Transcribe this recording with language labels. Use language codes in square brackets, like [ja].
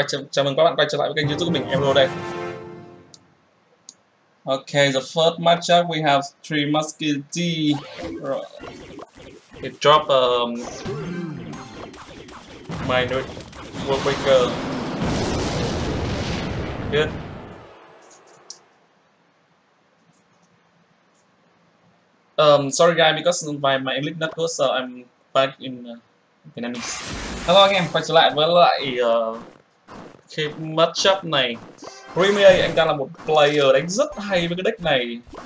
[vi] Chào mừng các bạn quay trở lại với kênh YouTube của mình, Emro đây. [en] Okay, the first matchup we have three musketeers. It drop my Worldbreaker. Good. Sorry guys, because my English not good, so I'm back in Vietnamese. Hello again, [vi] quay trở lại với lại cái matchup này. Remy, anh ta là một player đánh rất hay với cái deck này.